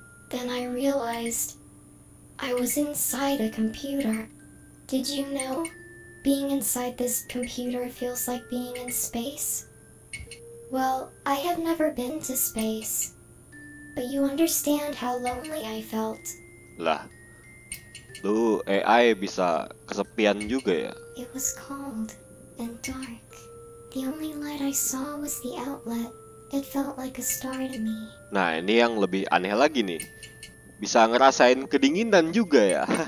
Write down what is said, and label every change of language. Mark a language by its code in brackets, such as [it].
[en] Then I realized I was inside a computer. Did you know being inside this computer feels like being in space? Well, I have never been to space, but you understand how lonely I felt. [id] Lah, lu AI bisa kesepian juga ya? [en] It was cold and dark. The only light I saw was the outlet. It felt like a star to me. [id] Nah, ini yang lebih aneh lagi nih. Bisa ngerasain kedinginan juga ya?